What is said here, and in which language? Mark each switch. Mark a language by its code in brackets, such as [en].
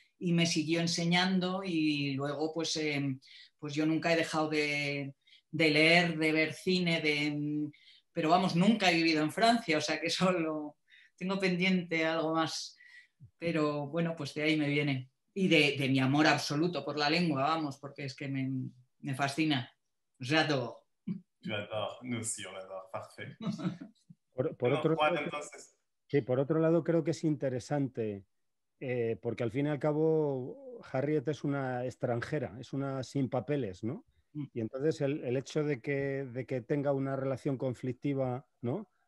[es] Y me siguió enseñando y luego pues yo nunca he dejado de leer, de ver cine, de... Pero vamos, nunca he vivido en Francia, o sea que solo tengo pendiente algo más. Pero bueno, pues de ahí me viene. Y de mi amor absoluto por la lengua, vamos, porque es que me fascina. [fr] J'adore. J'adore, nous aussi, on adore, parfait. [es] Por otro lado, creo que es interesante, porque al fin y al cabo Harriet es una extranjera, es una sin papeles, ¿no? Y entonces el hecho de que tenga una relación conflictiva, ¿no?